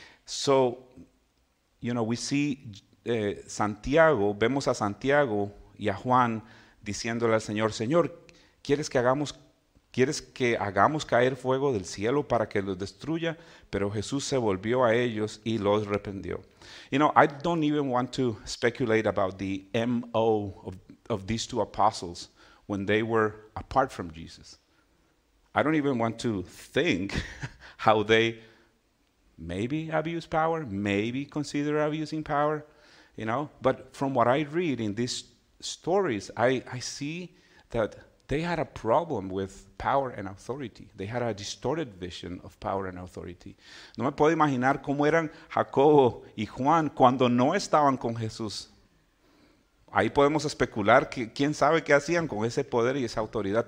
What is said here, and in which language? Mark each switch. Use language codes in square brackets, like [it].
[en] So, you know, we see Santiago, [es] vemos a Santiago y a Juan diciéndole al Señor, Señor, ¿quieres que hagamos caer fuego del cielo para que los destruya? Pero Jesús se volvió a ellos y los reprendió. [en] You know, I don't even want to speculate about the MO of these two apostles when they were apart from Jesus. I don't even want to think how they maybe abused power, maybe consider abusing power, you know. But from what I read in these stories, I see that they had a problem with power and authority. They had a distorted vision of power and authority. [es] No me puedo imaginar cómo eran Jacobo y Juan cuando no estaban con Jesús. Ahí podemos especular que quién sabe qué hacían con ese poder y esa autoridad.